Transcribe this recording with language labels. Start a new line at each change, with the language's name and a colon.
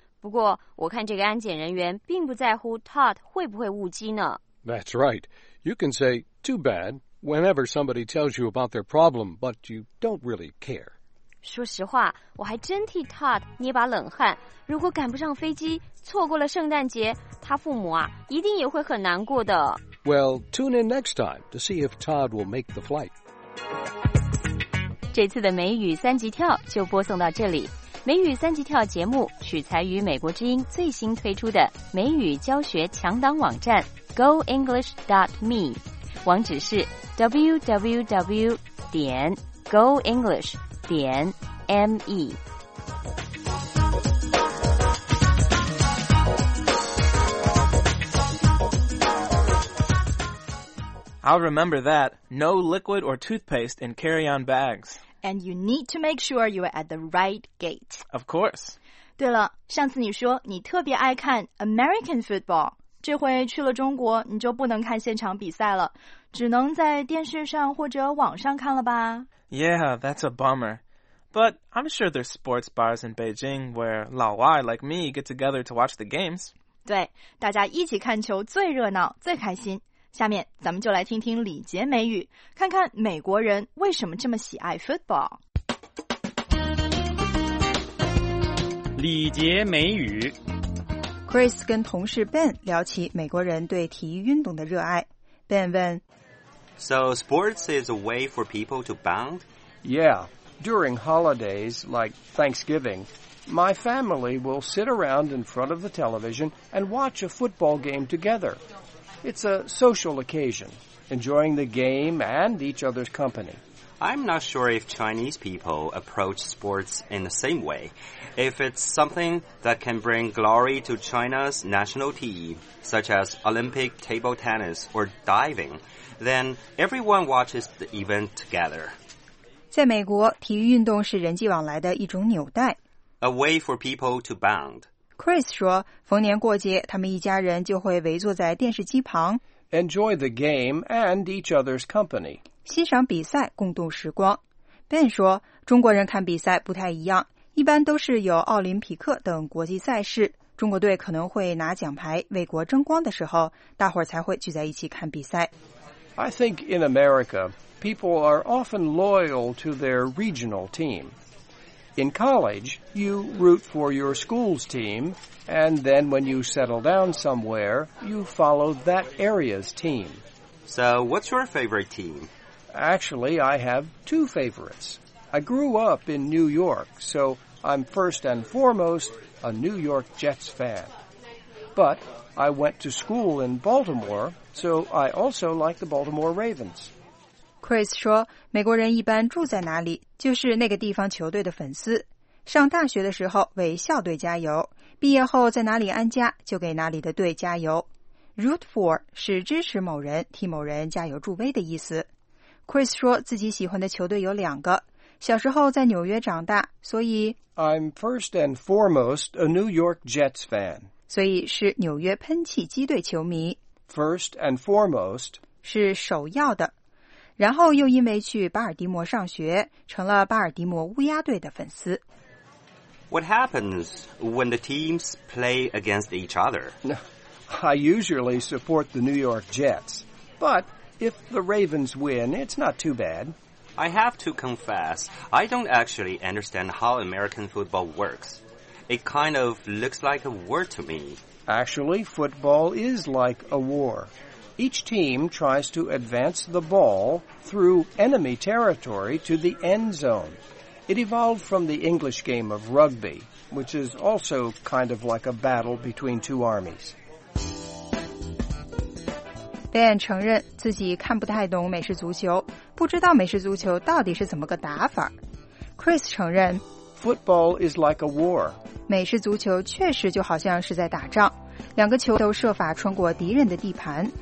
Chinese: 不过，我看这个安检人员并不在乎 Todd 会不会误机呢。
English: That's right. You can say, too bad, whenever somebody tells you about their problem, but you don't really care.
Chinese: 说实话，我还真替 Todd 捏把冷汗。如果赶不上飞机，错过了圣诞节，他父母啊，一定也会很难过的。
English: Well, tune in next time to see if Todd will make the flight.
Chinese: 这次的美语三级跳就播送到这里。美语三级跳节目取材于美国之音最新推出的美语教学强档网站 goenglish.me， 网址是 www.goenglish.me。
English: I'll remember that. No liquid or toothpaste in carry-on bags. And you need to make sure you are at the right gate. Of course.
Chinese: 对了，上次你说你特别爱看 American football. 这回去了中国，你就不能看现场比赛了，只能在电视上或者网上看了吧？
English: Yeah, that's a bummer. But I'm sure there's sports bars in Beijing where 老外 like me get together to watch the games.
Chinese: 对，大家一起看球最热闹，最开心。下面咱们就来听听李杰美语，看看美国人为什么这么喜爱 football。李杰美语，Chris 跟同事 Ben 聊起美国人对体育运动的热爱。Ben 问
English: ：“So sports is a way for people to bond? Yeah, during holidays like Thanksgiving, my family will sit around in front of the television and watch a football game together.” It's a social occasion, enjoying the game and each other's company. I'm not sure if Chinese people approach sports in the same way. If it's something that can bring glory to China's national team, such as Olympic table tennis or diving, then everyone watches the event together.
Chinese: 在美国，体育运动是人际往来的一种纽带。
English: A way for people to bond.
Chinese: Chris 说，逢年过节，他们一家人就会围坐在电视机旁
English: ，enjoy the game and each other's company，
Chinese: 欣赏比赛，共度时光。 Ben 说，中国人看比赛不太一样，一般都是有奥林匹克等国际赛事，中国队可能会拿奖牌为国争光的时候，大伙儿才会聚在一起看比赛。
English: I think in America, people are often loyal to their regional team. In college, you root for your school's team, and then when you settle down somewhere, you follow that area's team. So, what's your favorite team? Actually, I have two favorites. I grew up in New York, so I'm first and foremost a New York Jets fan. But I went to school in Baltimore, so I also like the Baltimore Ravens.
Chinese: Chris 说，美国人一般住在哪里，就是那个地方球队的粉丝。上大学的时候为校队加油，毕业后在哪里安家，就给哪里的队加油。 Root for 是支持某人，替某人加油助威的意思。Chris 说自己喜欢的球队有两个，小时候在纽约长大，所以
English: I'm first and foremost a New York Jets fan.
Chinese: 所以是纽约喷气机队球迷。
English: First and foremost
Chinese: 是首要的，然后又因为去巴尔的摩上学，成了巴尔的摩乌鸦队的粉丝。
English: What happens when the teams play against each other? I usually support the New York Jets, but if the Ravens win, it's not too bad. I have to confess, I don't actually understand how American football works. It kind of looks like a war to me. Actually, football is like a war. Each team tries to advance the ball through enemy territory to the end zone. It evolved from the English game of rugby, which is also kind of like a battle between two armies.
Chinese: Ben 承认自己看不太懂美式足球，不知道美式足球到底是怎么个打法。 Chris 承认
English: Football is like a war.
Chinese: 美式足球确实就好像是在打仗，两个球都设法穿过敌人的地盘。